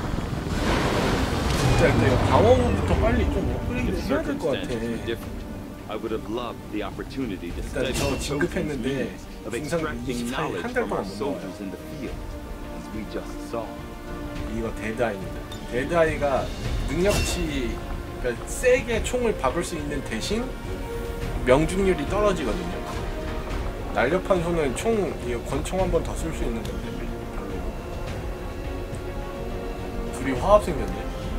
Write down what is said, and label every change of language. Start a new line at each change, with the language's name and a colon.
Korean: 진짜 내가 방어부터 빨리 좀 업그레이드 해야 될 것 같아.
English: I would have loved the opportunity to study the Chosen's means of extracting knowledge from our soldiers in the field, as we just saw.
Korean: 이거 데드아이입니다. 데드아이가 능력치 그러니까 세게 총을 박을 수 있는 대신 명중률이 떨어지거든요. 날렵한 손은 총 이거 권총 한 번 더 쓸 수 있는 건데 별로. 둘이 화합 생겼네.